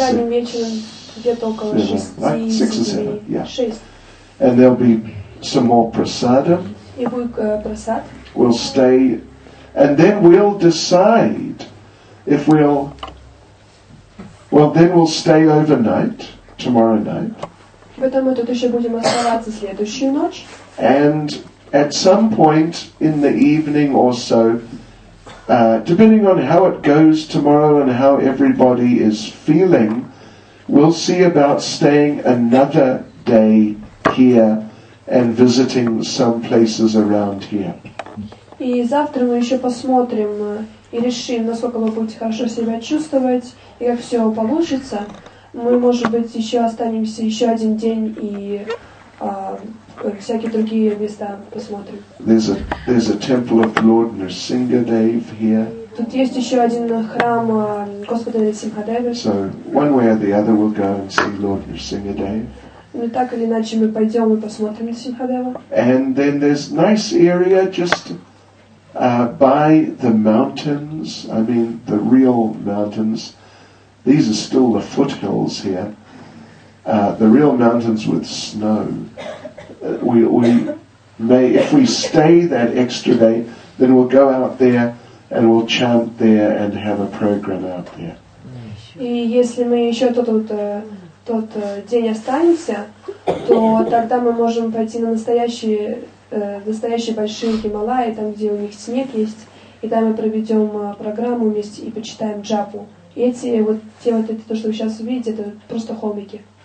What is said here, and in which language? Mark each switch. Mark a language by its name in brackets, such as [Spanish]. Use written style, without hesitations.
[Russian] Ранним вечером, где-то около 6 or 7. [English] Yeah. 6. And there'll be some more prasadam. [Russian] И будет просад. [English] We'll stay, and then we'll decide if we'll. Well, then we'll stay overnight tomorrow night. [Russian] Потом мы тут еще будем оставаться следующую ночь. [English] And at some point in the evening or so, depending on how it goes tomorrow and how everybody is feeling, we'll see about staying another day here and visiting some places around here. [Russian] И завтра мы еще посмотрим и решим, насколько вы будете хорошо себя чувствовать, и как все получится. Мы, может быть, еще останемся еще один день и всякие другие места посмотрим. [English] There's a temple of Lord Nrsingadev here. [Russian] Тут есть еще один храм Господа Нрсингхадева. [English] So, one way or the other, we'll go and see Lord Nrsingadev. [Russian] Ну так или иначе, мы пойдем и посмотрим Нрсингхадева. [English] And then there's nice area just... by the mountains, I mean the real mountains, these are still the foothills here, the real mountains with snow. If we stay that extra day, then we'll go out there and we'll chant there and have a program out there. [Russian] И если мы еще тот день останемся, то тогда мы можем пойти на настоящие большие Гималаи, там, где у них снег есть, и там мы проведем программу вместе и почитаем джапу. И эти вот те вот это то, что вы сейчас увидите, это просто холмики.